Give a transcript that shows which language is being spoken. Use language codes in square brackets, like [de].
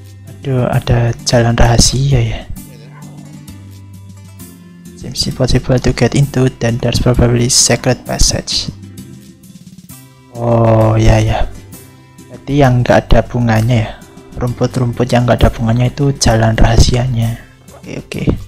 [id] Aduh, ada jalan rahasia ya. [en] It's impossible to get into, then there's probably secret passage. [id] Oh ya. Berarti yang nggak ada bunganya ya. Rumput-rumput yang nggak ada bunganya itu jalan rahasianya. Oke.